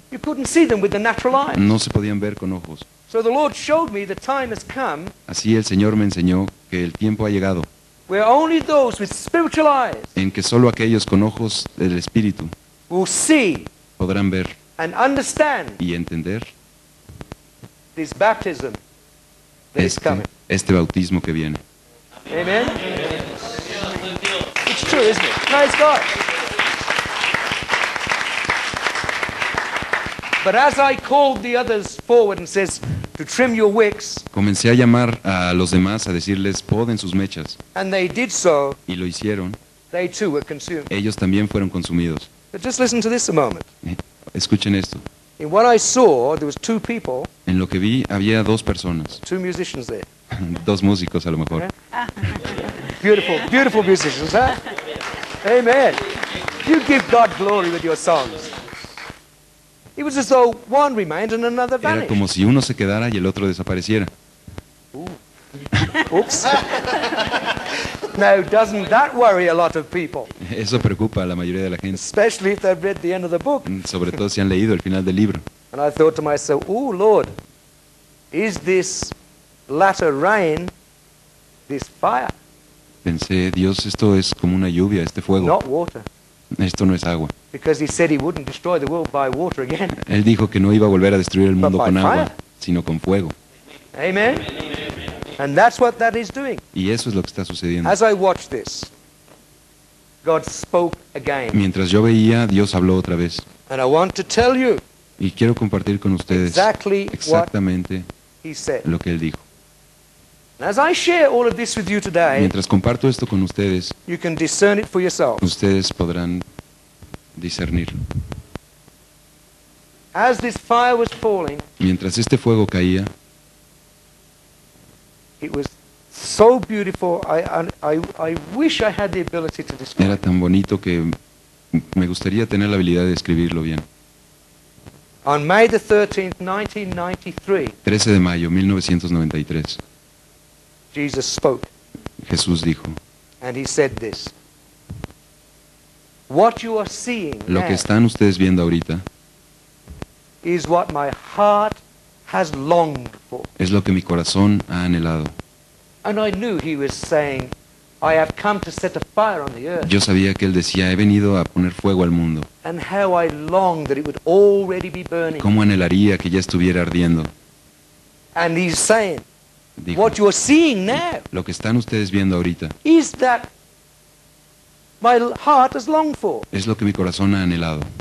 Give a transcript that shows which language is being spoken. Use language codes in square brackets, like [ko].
[en] you couldn't see them with the natural eyes. [es] No se podían ver con ojos. [en] So the Lord showed me the time has come. [es] Así el Señor me enseñó que el tiempo ha llegado. [en] Where only those with spiritual eyes, [es] en que solo aquellos con ojos del Espíritu, [en] will see, [es] podrán ver, [en] and understand, [es] y entender, [en] this baptism that is coming. [es] Este bautismo que viene. [en] Amen. Amen. It's true, isn't it? Praise God. But as I called the others forward and says to trim your wicks, [es] comencé a llamar a los demás a decirles poden sus mechas. [en] And they did so. [es] Y lo hicieron. [en] They too were consumed. [es] Ellos también fueron consumidos. [en] But just listen to this a moment. [es] Escuchen esto. [en] In what I saw, there was two people. [es] En lo que vi había dos personas. [en] Two musicians there. [es] Dos músicos a lo mejor. [en] Beautiful, beautiful musicians, huh? Amen. You give God glory with your songs. It was as though one remained and another vanished. [es] Era como si uno se quedara y el otro desapareciera. [en] Ooh. Oops. Now, doesn't that worry a lot of people? [es] Eso preocupa a la mayoría de la gente. [en] Especially if they've read the end of the book. [es] Sobre todo si han leído el final del libro. [en] And I thought to myself, "Oh Lord, is this latter rain this fire?" [es] Pensé, Dios, esto es como una lluvia, este fuego. [en] Not water. [es] Esto no es agua. [en] Because he said he wouldn't destroy the world by water again. [es] Él dijo que no iba a volver a destruir el mundo con agua, sino con fuego. [en] Amen. Amen. And that's what that is doing. [es] Y eso es lo que está sucediendo. [en] As I watched this, God spoke again. [es] Mientras yo veía, Dios habló otra vez. [en] And I want to tell you. [es] Y quiero compartir con ustedes exactamente lo que él dijo. [en] As I share all of this with you today, [es] mientras comparto esto con ustedes, [en] you can discern it for yourself. [es] Ustedes podrán discernirlo. [en] As this fire was falling, [es] mientras este fuego caía, [en] it was so beautiful. I wish I had the ability to describe. [es] Era tan bonito que me gustaría tener la habilidad de escribirlo bien. [en] On May the 13th, 1993. [es] 13 de mayo, 1993. [en] Jesus spoke. [es] Jesús dijo. [en] And he said this. What you are seeing [es] lo que están ustedes viendo ahorita [en] is what my heart has longed for. [es] Es lo que mi corazón ha anhelado. [en] And I knew he was saying, I have come to set a fire on the earth. [es] Yo sabía que él decía, he venido a poner fuego al mundo. [en] And how I longed that it would already be burning. [es] Cómo anhelaría que ya estuviera ardiendo. [en] And he's saying, [es] dijo, [en] what you are seeing now, [es] lo que están ustedes viendo ahorita, [en] is that my heart has longed for, [es] es lo que mi corazón ha anhelado,